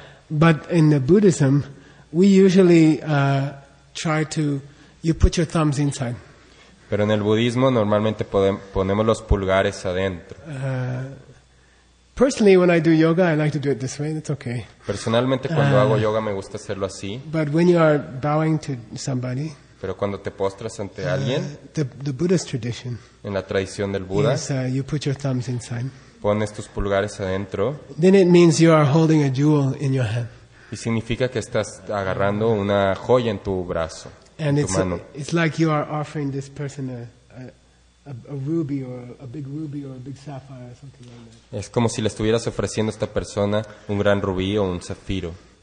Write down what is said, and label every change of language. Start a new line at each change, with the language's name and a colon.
English: But in the Buddhism, we usually try to you put your thumbs inside.
Spanish: Pero en el budismo normalmente ponemos los pulgares adentro.
English: Personally, when I do yoga, I like to do it this way. It's okay.
Spanish: Personalmente, cuando hago yoga, me gusta hacerlo así.
English: But when you are bowing to somebody,
Spanish: pero cuando te postras ante alguien,
English: the Buddhist tradition,
Spanish: en la tradición del Buda,
English: is, you put your thumbs inside.
Spanish: Pones tus pulgares adentro.
English: Then it means you are holding a jewel in your hand.
Spanish: Y significa que estás agarrando una joya en tu brazo.
English: And
Spanish: en tu mano.
English: It's like you are offering this person a ruby or a big ruby or a big sapphire or something like that.
Spanish: Es como si le estuvieras ofreciendo a esta persona un gran rubí o un zafiro.